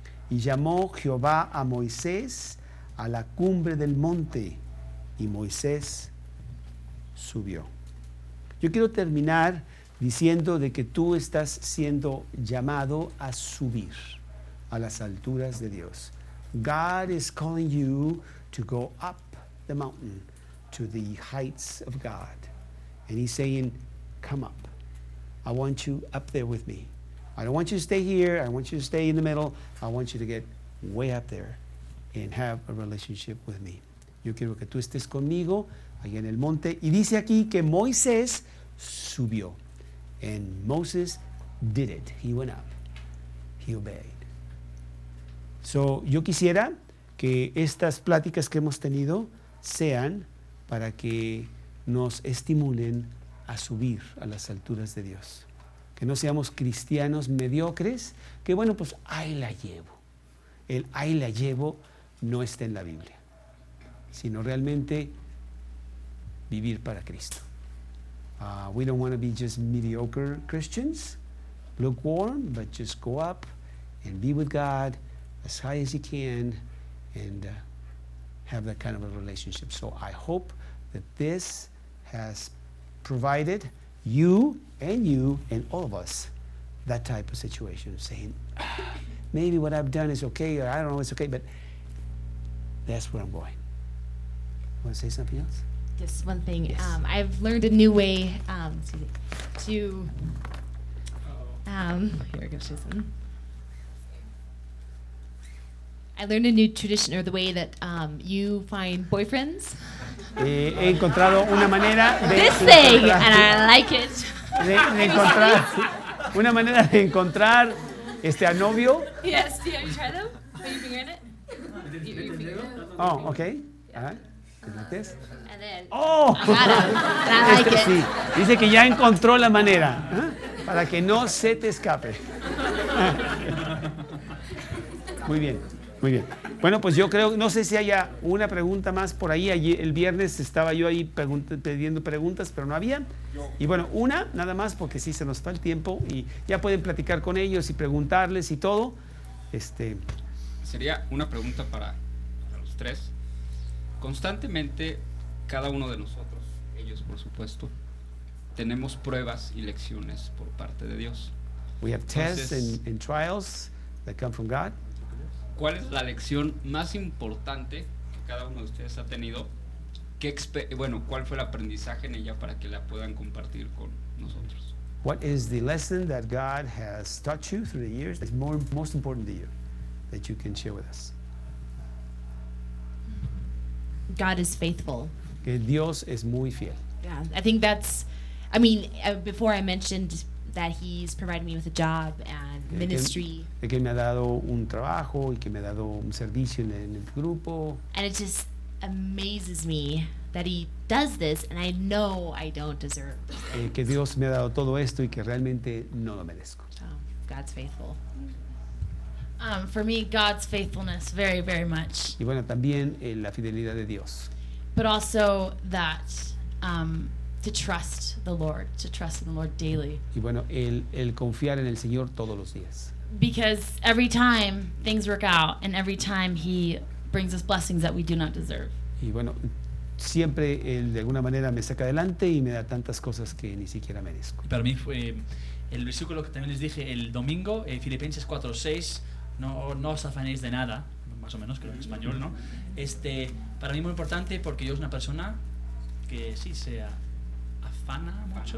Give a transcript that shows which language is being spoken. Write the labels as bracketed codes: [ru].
[es] Y llamó Jehová a Moisés a la cumbre del monte, y Moisés subió. Yo quiero terminar diciendo de que tú estás siendo llamado a subir a las alturas de Dios. [en] God is calling you to go up the mountain to the heights of God. And he's saying, come up. I want you up there with me. I don't want you to stay here. I want you to stay in the middle. I want you to get way up there and have a relationship with me. [es] Yo quiero que tú estés conmigo allá en el monte. Y dice aquí que Moisés subió. [en] And Moses did it. He went up. He obeyed. [es] So, yo quisiera que estas pláticas que hemos tenido sean para que nos estimulen a subir a las alturas de Dios. Que no seamos cristianos mediocres, que bueno, pues ahí la llevo. El ahí la llevo no está en la Biblia, sino realmente vivir para Cristo. [en] We don't want to be just mediocre Christians, lukewarm, but just go up and be with God as high as you can, and have that kind of a relationship. So I hope that this has provided you and all of us that type of situation, saying, maybe what I've done is okay, or I don't know, it's okay, but that's where I'm going. Want to say something else? Just one thing. Yes. I've learned a new way to. Here I go, Susan. I learned a new tradition, or the way that you find boyfriends. [es] He encontrado una manera de [en] this thing, and I like it. [es] De encontrar una manera de encontrar a novio. [en] Yes, do you try them? Are you fingering it? Oh, okay. Yeah. Like this. And then, oh, I like it. Sí. [es] Dice que ya encontró la manera para que no se te escape. Muy bien, muy bien. Bueno, pues yo creo, no sé si haya una pregunta más por ahí. Allí, el viernes estaba yo ahí pidiendo preguntas, pero no había. Y bueno, una nada más porque sí se nos va el tiempo y ya pueden platicar con ellos y preguntarles y todo. Sería una pregunta para los tres. Constantemente, cada uno de nosotros, ellos por supuesto, tenemos pruebas y lecciones por parte de Dios. [en] We have tests and trials that come from God. [es] ¿Cuál es la lección más importante que cada uno de ustedes ha tenido? ¿Cuál fue el aprendizaje en ella para que la puedan compartir con nosotros? [en] What is the lesson that God has taught you through the years that's most important to you that you can share with us? God is faithful. [es] Que Dios es muy fiel. [en] Yeah, I think that's. I mean, before I mentioned that He's provided me with a job and ministry. [es] Que me ha dado un trabajo y que me ha dado un servicio en el grupo. [en] And it just amazes me that He does this, and I know I don't deserve this. [es] Que Dios me ha dado todo esto y que realmente no lo merezco. [en] Oh, God's faithful. For me, God's faithfulness, very, very much. [es] Y bueno, también la fidelidad de Dios. [en] But also that to trust the Lord, to trust in the Lord daily. [es] Y bueno, el confiar en el Señor todos los días. [en] Because every time things work out, and every time He brings us blessings that we do not deserve. [es] Y bueno, siempre Él de alguna manera me saca adelante y me da tantas cosas que ni siquiera merezco. Y para mí fue el versículo que también les dije el domingo, Filipenses 4:6. No os afanéis de nada, más o menos, creo en español, ¿no? Para mí es muy importante porque yo soy una persona que sí se afana mucho.